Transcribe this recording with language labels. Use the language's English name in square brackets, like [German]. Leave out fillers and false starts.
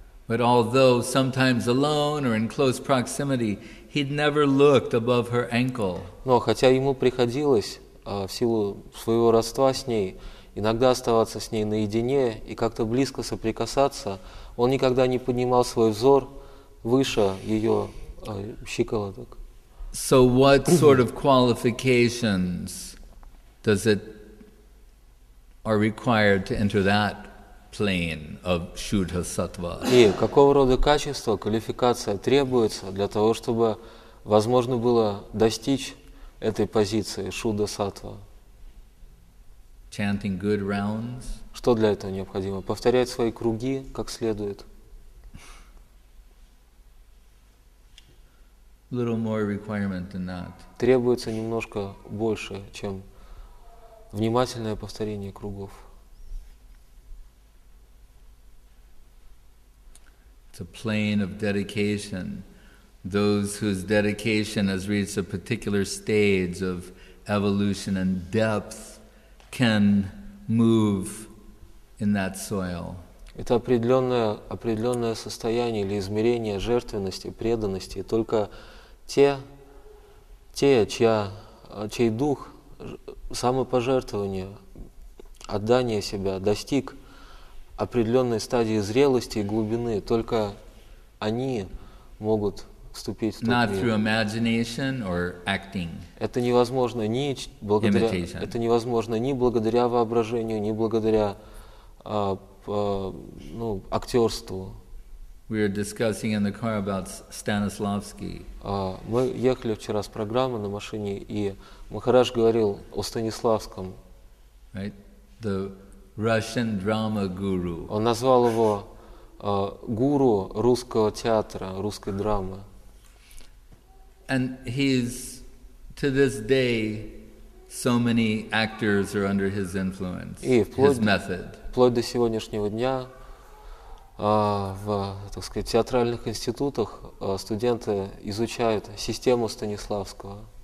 [English] But although sometimes alone or in close proximity, he'd never looked above her ankle. [Russian] Но хотя ему приходилось в силу своего родства с ней иногда оставаться с ней наедине и как-то близко соприкасаться, он никогда не поднимал свой взор выше ее щиколоток. [English] So what sort of qualifications does it are required to enter that plane of Shuddha Sattva? [Russian] И какого рода качества, квалификация требуется для того, чтобы возможно было достичь этой позиции Шудда Саттва? [English] Chanting good rounds. [Russian] Что для этого необходимо? Повторять свои круги как следует. [English] Little more requirement than that. [Russian] Требуется немножко больше, чем внимательное повторение кругов. [English] It's a plane of dedication. Those whose dedication has reached a particular stage of evolution and depth can move in that soil. [Russian] Это определенное состояние или измерение жертвенности, преданности. Только чей дух самопожертвования, отдания себя, достиг определенной стадии зрелости и глубины, только они могут вступить в тот мир. [English] Not through imagination or acting. [Russian] Это невозможно ни благодаря воображению, ни благодаря актерству. [English] We are discussing in the car about Stanislavski. [Russian] Мы ехали вчера с программы на машине, и Махарадж говорил о Станиславском. [English] Right? The Russian drama guru. [Russian] Он назвал его гуру русского театра, русской драмы. [English] And he's to this day so many actors are under his influence. His method. [Russian] Вплоть до сегодняшнего дня в, так сказать, театральных институтах студенты изучают систему Станиславского.